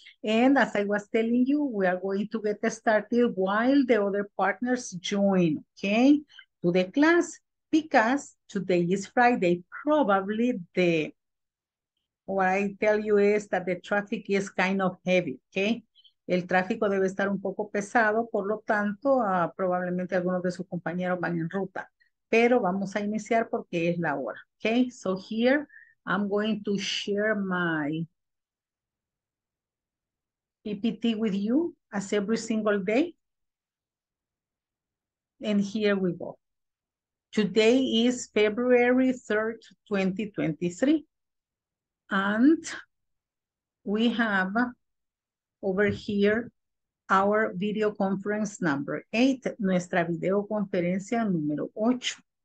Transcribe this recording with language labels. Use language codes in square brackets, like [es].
[en] And as I was telling you, we are going to get started while the other partners join, okay, to the class, because today is Friday. Probably the, what I tell you is that the traffic is kind of heavy, okay? [es] El tráfico debe estar un poco pesado, por lo tanto, probablemente algunos de sus compañeros van en ruta. Pero vamos a iniciar porque es la hora, okay? [en] So here, I'm going to share my PPT with you as every single day. And here we go. Today is February 3rd, 2023. And we have over here our video conference number 8, [es] nuestra videoconferencia número 8.